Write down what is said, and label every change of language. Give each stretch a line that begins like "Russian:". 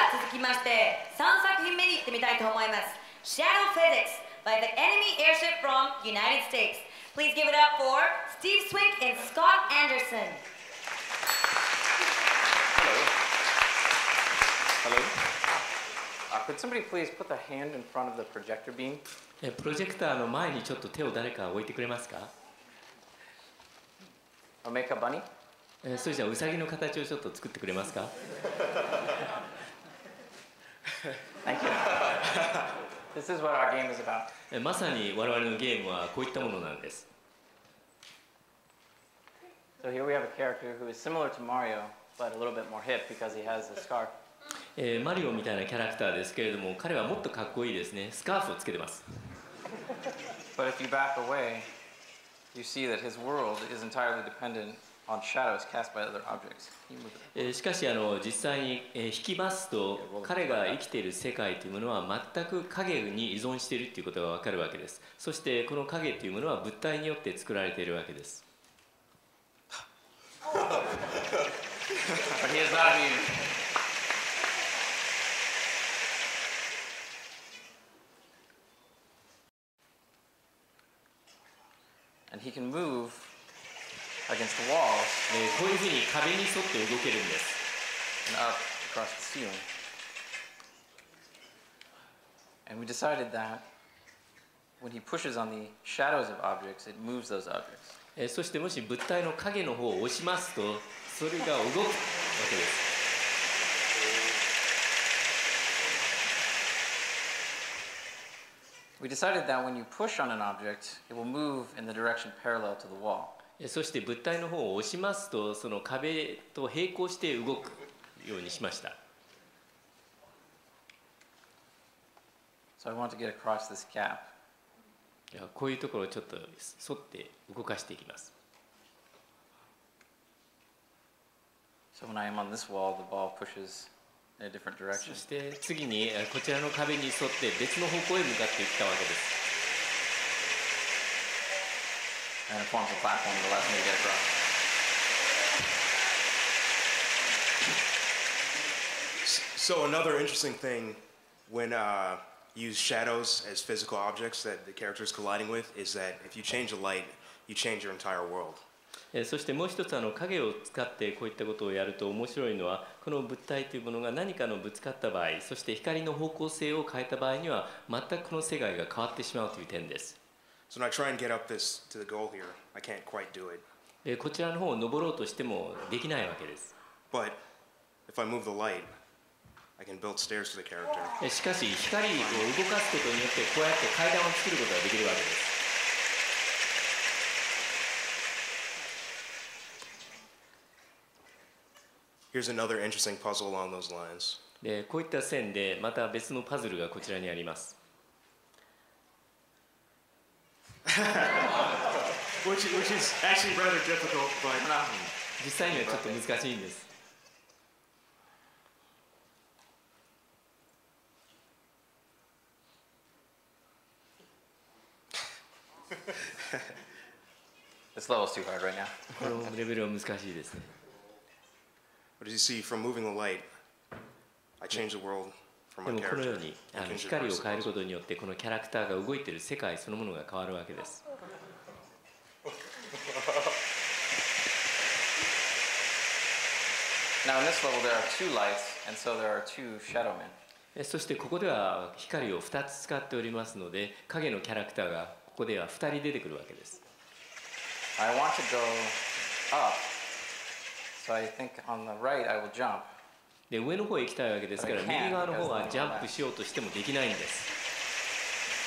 Japanese: 続きまして3作品目に行ってみたいと思います
English: Shadow Physics by the enemy airship from United States Please give it up for Steve Swink and Scott Anderson Hello could somebody please put the hand in front of the projector beam?
Japanese: プロジェクターの前にちょっと手を誰か置いてくれますか
English: I'll make a bunny?
Japanese: それじゃあウサギの形をちょっと作ってくれますか
English: Thank you. This is what our game is about.
Japanese: まさに我々のゲームはこういったものなんです。
English: So here we have a character who is similar to Mario, but a little bit more hip because he has a scarf.
Japanese: マリオみたいなキャラクターですけれども、彼はもっとかっこいいですね。スカーフをつけてます。
English: But if you back away, you see that his world is entirely dependent. On shadows cast by other objects.
Japanese: しかし実際に引きますと彼が生きている世界というものは全く影に依存しているということが分かるわけですそしてこの影というものは物体によって作られているわけです
English: He is not immune. And he can moveAgainst the walls.
Japanese: こういうふうに壁に沿って動けるんです。
English: And up across the ceiling. And we decided that when he pushes on the shadows of objects, it moves those objects.
Japanese: そしてもし物体の影の方を押しますと、それが動くわけです。
English: We decided that when you push on an object, it will move in the direction parallel to the wall.
Japanese: そして物体の方を押しますとその壁と並行して動くようにしました。
English: So I want to get across this gap.
Japanese: こういうところをちょっと沿って動かしていきます。
English: So when I am on this wall, the ball pushes in a different direction.
Japanese: そして次にこちらの壁に沿って別の方向へ向かっていったわけです。
English: And it forms a platform that allows me to get across. So another interesting thing when you use shadows as physical objects that the character is colliding with is that if you change the light, you change your entire world.
Japanese: そしてもう一つ影を使ってこういったことをやると面白いのはこの物体というものが何かのぶつかった場合そして光の方向性を変えた場合には全くこの世界が変わってしまうという点です。
English: So when I try and get up this to the goal here, I can't quite do it.
Japanese: こちらの方を登ろうとしてもできないわけです。
English: But if I move the light, I can build stairs for the character.
Japanese: しかし光を動かすことによってこうやって階段を作ることができるわけです。
English: Here's another interesting puzzle along those lines.
Japanese: こういった線でまた別のパズルがこちらにあります。
English: which is actually rather difficult, but not.
Japanese: 実際にはちょっと難しいんです。
English: This level is too hard right now.
Japanese: このレベルは難しいですね。
English: But as you see, from moving the light, I change the world.
Japanese: でもこのように光を変えることによってこのキャラクターが動いている世界そのものが変わるわけです。
English: Now in this level there are two lights and so there are two shadow men.
Japanese: そしてここでは光を2つ使っておりますので影のキャラクターがここでは2人出てくるわけです。
English: I want to go up, so I think on the right I will jump.
Japanese: で上の方へ行きたいわけですから右側の方はジャンプしようとしてもできないんです。